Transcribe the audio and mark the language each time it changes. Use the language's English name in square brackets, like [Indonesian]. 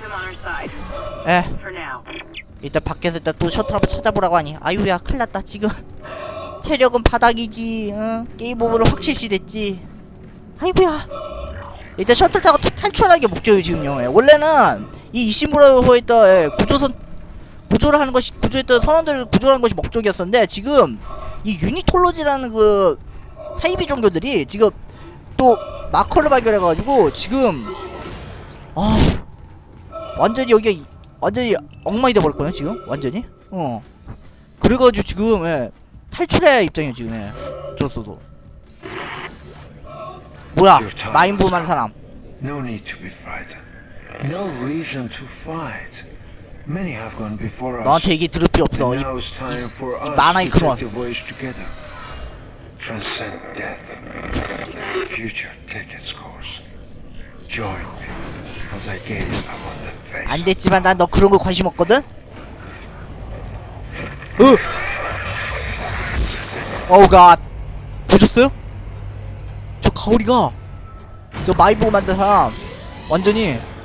[English] Crazy or not, but we need that shuttle. Let's keep him on our side. For now. [Korean] 일단 밖에서 일단 또 셔틀 한번 찾아보라고 하니. 아유야, 큰일 났다 지금. 체력은 바닥이지. 응? 게임 오버로 확실시 됐지. 아이고야. 일단 셔틀 타고 탈출하는 게 목적이 지금요. 예. 원래는 이 이시무라에 있다 예, 구조선 구조를 하는 것이 구조했던 선원들을 구조하는 것이 목적이었었는데 지금 이 유니톨로지라는 그 사이비 종교들이 지금 또 마커를 발견해가지고 지금 아 완전히 여기가 완전히 엉망이 돼버렸거든 지금 완전히. 어, 그래가지고 지금 예, 탈출해야 입장이야 지금. 예, 저서도 뭐야 마인부만 사람. [English] No need to be frightened. No reason to fight. Many have gone before us. [Korean] 너한테 얘기 들을 필요 없어. 이 만화의 그만. [English] Transcend death. Future take its course. Join me as I gaze upon the face. [Korean] 안 됐지만 난 너 그런 거 관심 없거든. 어. [English] Oh God. [Korean] 보셨어요? 저 가오리가 저 마이보 만든 사람 완전히.